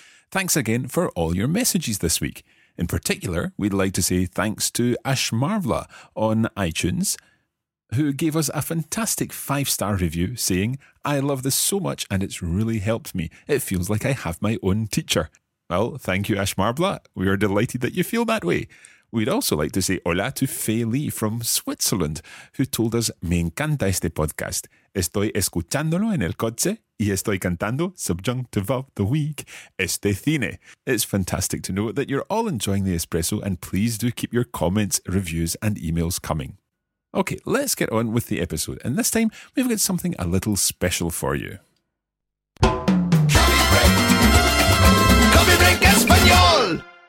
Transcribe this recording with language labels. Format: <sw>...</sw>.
<en>Thanks again for all your messages this week. In particular, we'd like to say thanks to Ash Marvla on iTunes, who gave us a fantastic 5-star review saying, "I love this so much and it's really helped me. It feels like I have my own teacher." Well, thank you, Ash Marvla. We are delighted that you feel that way. We'd also like to say hola to Fei Lee from Switzerland, who told us,</en> <es>"Me encanta este podcast. Estoy escuchándolo en el coche y estoy cantando,</es> <en>subjunctive of the week,</en> <es>este cine."</es> <en>It's fantastic to know that you're all enjoying the espresso, and please do keep your comments, reviews and emails coming. Okay, let's get on with the episode, and this time we've got something a little special for you. Coffee Break Español!</en>